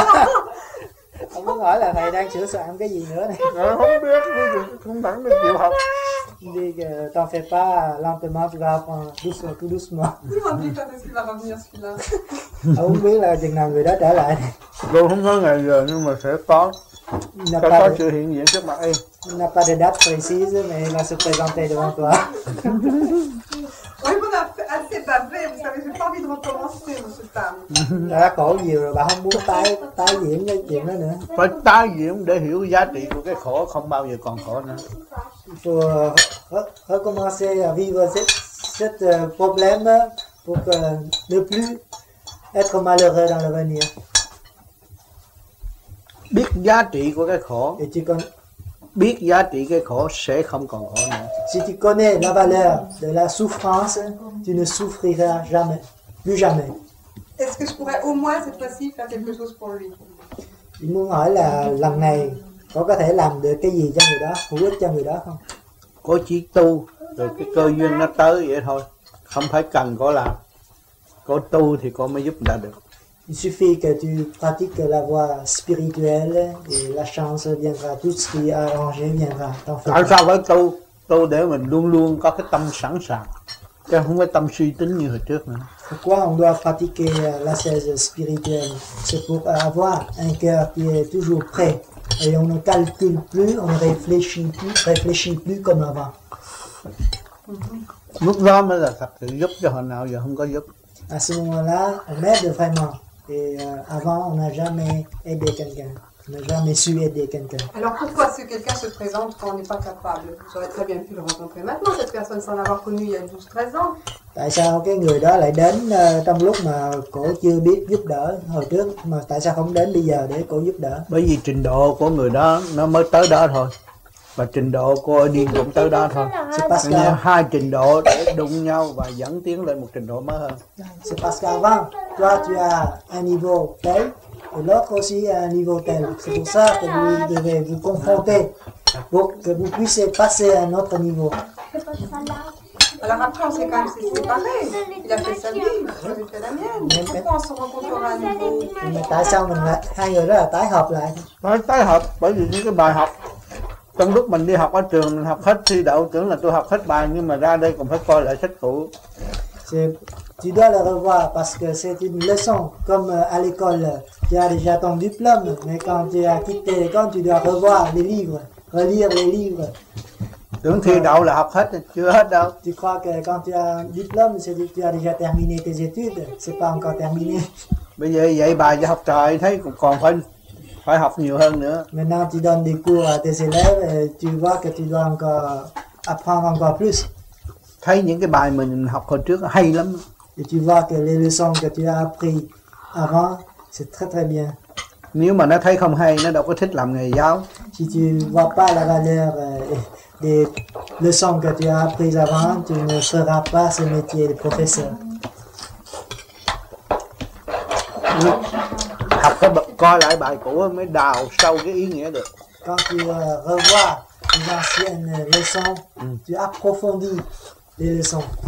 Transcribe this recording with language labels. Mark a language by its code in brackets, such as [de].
[fr] en faites? Je ne sais pas, [vi] thầy đang sửa soạn cái gì nữa này. Không biết, không chịu học. [fr] Il dit que t'en fais pas lentement, tu vas apprendre doucement, tout doucement. Tu m'as dit quand est-ce qu'il va revenir celui-là? Je ne sais pas [vi] ngày giờ nhưng mà sẽ có. [fr] Il n'a pas [vi] sự hiện diện trước mặt em. [fr] Il n'a pas de date précise, mais il va se présenter devant toi. Oui, on a assez bavé, vous savez, je n'ai pas envie de recommencer, [vi] monsieur Tam. Đã khổ nhiều rồi, bà không muốn tái diễn cái chuyện đó nữa. Phải tái diễn để hiểu giá trị của cái khổ, không bao giờ còn khổ nữa. [fr] Pour recommencer à vivre cette problème pour que ne plus être malheureux dans l'avenir. [vi] Biết giá trị của cái khổ. [fr] Et tu connais. [vi] Biết giá trị cái khổ sẽ không còn khổ nữa. [fr] Si tu connais la valeur de la souffrance, tu ne souffriras jamais, plus jamais. Est-ce que je pourrais au moins cette fois-ci faire quelque chose pour lui? [vi] Il muốn hỏi là lần này cô có thể làm được cái gì cho người đó, hữu ích cho người đó không? Cô chỉ tu rồi cái cơ duyên nó tới vậy thôi, không phải cần cô làm. Cô tu thì cô mới giúp người ta được. [fr] Il suffit que tu pratiques la voie spirituelle et la chance viendra, tout ce qui est arrangé viendra. [vi] Tại sao phải tu? Tu để mình luôn luôn có cái tâm sẵn sàng, chứ không phải tâm suy tính như hồi trước nữa. [fr] Pourquoi on doit pratiquer la sèse spirituelle? C'est pour avoir un cœur qui est toujours prêt. Et on ne calcule plus, on ne réfléchit plus comme avant. [vi] Lúc đó mới là thật sự giúp cho hồi nào giờ không có giúp. [fr] À ce moment-là, on aide vraiment. Et avant, on n'a jamais aidé quelqu'un. Ne jamais su aider quelqu'un. Alors pourquoi ce quelqu'un se présente quand on n'est pas capable? J'aurais très bien pu le rencontrer maintenant, cette personne, sans l'avoir connu il y a 12-13 ans. [vi] Tại sao cái người đó lại đến trong lúc mà cô chưa biết giúp đỡ hồi trước, mà tại sao không đến bây giờ để cô giúp đỡ? Bởi vì trình độ của người đó nó mới tới đó thôi. Và trình độ cô đi cũng tới đó thôi. Hai trình độ để đụng nhau và dẫn tiến lên một trình độ mới hơn. [fr] C'est Pascal, vâng. Tu as à un niveau tel, et l'autre aussi à un niveau tel. C'est pour ça que vous devez vous confronter pour que vous puissiez passer à un autre niveau. Alors après, on s'est quand même séparé. Il a fait sa vie, j'ai fait la mienne. Mais pourquoi on se rencontrera à nouveau? Mais [vi] tại sao mình lại hai người đó là tái hợp lại? Tái hợp bởi vì những cái bài học. Trong lúc mình đi học ở trường, mình học hết thi đậu, tưởng là tôi học hết bài, nhưng mà ra đây còn phải coi lại sách cũ. [fr] Tu dois le revoir parce que c'est une leçon, comme à l'école, tu as déjà ton diplôme, mais quand tu as quitté l'école, tu dois revoir les livres, relire les livres. [vi] Tưởng thi đậu là học hết, chưa hết đâu. [fr] Tu crois que quand tu as un diplôme, c'est que tu as déjà terminé tes études, c'est pas encore terminé. [vi] Bây giờ dạy bài cho học trò, thấy còn phải học nhiều hơn nữa. [fr] Maintenant tu donnes des cours à tes élèves, tu vois que tu dois encore apprendre encore plus. [vi] Thấy những cái bài mình học hồi trước hay lắm. [fr] Et tu vois que les leçons que tu as appris avant, c'est très très bien. [vi] Nếu mà nó thấy không hay, nó đâu có thích làm nghề giáo. [fr] Si tu vois pas la valeur des leçons que tu as appris avant, tu ne feras pas ce métier de professeur. [vi] Học cái coi lại bài cũ mới đào sâu cái ý nghĩa được. [fr] Quand tu revois les anciennes leçons, tu approfondis les leçons.